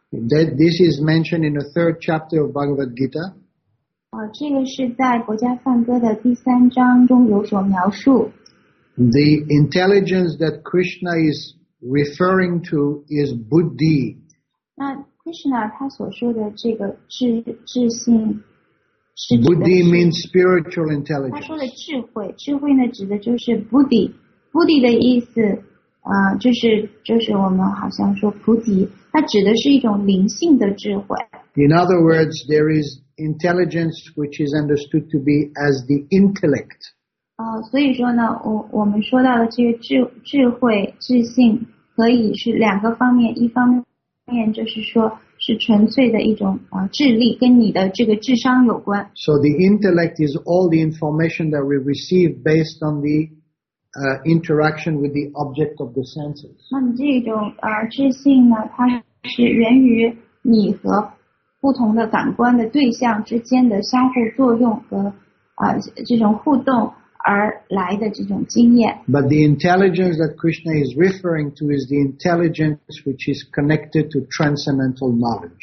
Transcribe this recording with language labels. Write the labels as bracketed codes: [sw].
[en] This is mentioned in the third chapter of Bhagavad Gita. [zh] 这个是在国家梵歌的第三章中有所描述。 [en] The intelligence that Krishna is referring to is Buddhi. [zh] 那 Krishna 他所说的这个智性是 [en] Buddhi means spiritual intelligence. [zh] 他说的智慧，智慧呢指的就是 Buddhi。Buddhi 的意思就是我们好像说菩提，它指的是一种灵性的智慧。 [en] In other words, there is intelligence which is understood to be as the intellect. [zh] 所以说呢，我们说到的这个智慧、智性，可以是两个方面，一方面就是说是纯粹的一种智力，跟你的这个智商有关。 [en] So the intellect is all the information that we receive based on the interaction with the object of the senses. [zh] 那你这种智性呢，它是源于你和不同的感官的对象之间的相互作用和这种互动而来的这种经验。 [en] But the intelligence that Krishna is referring to is the intelligence which is connected to transcendental knowledge.